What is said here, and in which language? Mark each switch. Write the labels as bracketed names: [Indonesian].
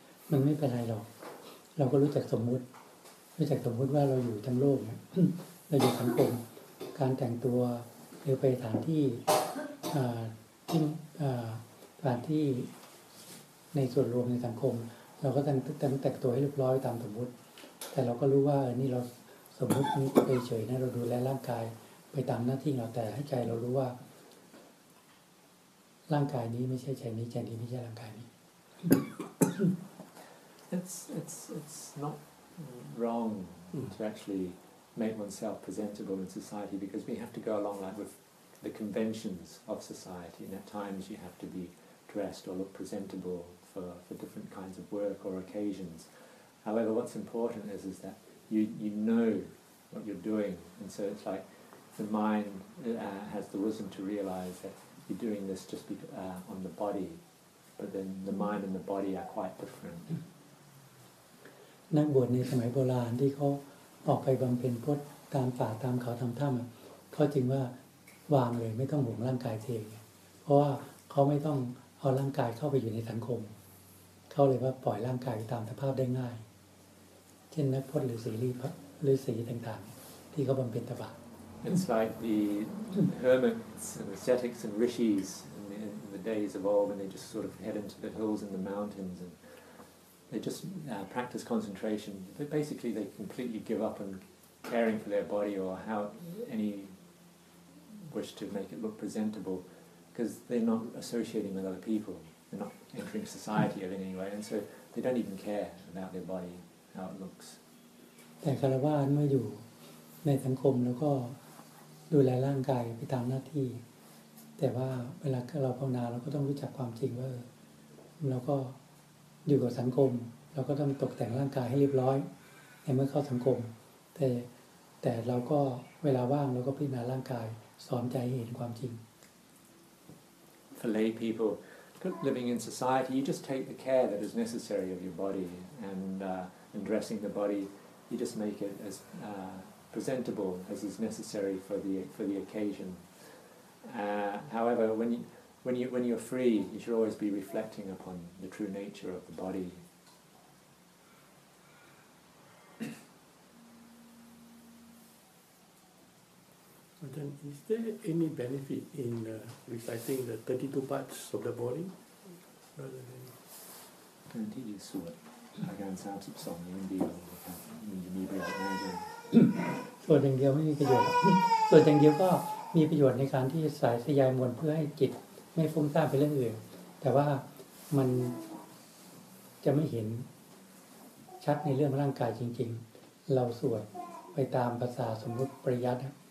[Thai] มันไม่เป็นไรหรอกเราก็รู้จักสมมติรู้จักสมมติว่าเราอยู่ทั้งโลกเราอยู่สังคมการแต่งตัวหรือไปสถานที่ที่สถานที่ในส่วนรวมในสังคมเราก็ต้องแต่งตัวให้เรียบร้อยตามสมมุติแต่เราก็รู้ว่านี่เราสมมุตินี้เฉยๆนะเราดูแลร่างกายไปตามหน้าที่เราแต่ให้ใจเรารู้ว่าร่างกายนี้ไม่ใช่ใจนี้ใจนี้ไม่ใช่ร่างกายนี้ [English] it's not wrong to actually make oneself presentable in society because we have to go along like withThe conventions of society, and at times you have to be dressed or look presentable for different kinds of work or occasions. However, what's important is that you know what you're doing, and so it's like the mind has the wisdom to realize that you're doing this just on the body, but then the mind and the body are quite different. [Thai] นักบวชในสมัยโบราณที่เขาออกไปบำเพ็ญพุทธตามป่าตามเขาทำถ้ำเขาจึงว่าวางเลยไม่ต้องห่วงร่างกายเทเพราะว่าเขาไม่ต้องเอาร่างกายเข้าไปอยู่ในสังคมเขาเลยว่าปล่อยร่างกายไปตามสภาพได้ง่ายเช่นนักพจน์หรือศีลีพระหรือศีลต่างๆที่เขาบำเพ็ญตบะ [English] It's like the hermits and ascetics and rishis in the days of old when they just sort of head into the hills and the mountains and they just practice concentration but basically they completely give up on caring for their body or how anywish to make it look presentable because they're not associating with other people they're not entering society in any way and so they don't even care about their body how it looks [Thai] แต่คารวาสเมื่ออยู่ในสังคมแล้วก็ดูแลร่างกายไปตามหน้าที่แต่ว่าเวลาเราภาวนาเราก็ต้องรู้จักความจริงว่าเราก็อยู่กับสังคมเราก็ต้องตกแต่งร่างกายให้เรียบร้อยในเมื่อเข้าสังคมแต่เราก็เวลาว่างเราก็พิจารณาร่างกายสอนใจให้เห็นความจริง [English] For lay people living in society you just take the care that is necessary of your body and dressing the body you just make it as presentable as is necessary for the occasion however when you're free you should always be reflecting upon the true nature of the body Then is there any benefit in reciting the 32 parts of the body? Rather than [Thai] ที่ดีสุดในการสามสิบสองยังดีกว่าครับมีประโยชน์แน่นอน ส่วนอย่างเดียวไม่มีประโยชน์ส่วนอย่างเดียวก็มีประโยชน์ในการที่สายสยายมวลเพื่อให้จิตไม่ฟุ้งซ่านไปเรื่องอื่นแต่ว่ามันจะไม่เห็นชัดในเรื่องร่างกายจริงๆเราสวดไปตามภาษาสมมติปริยัติ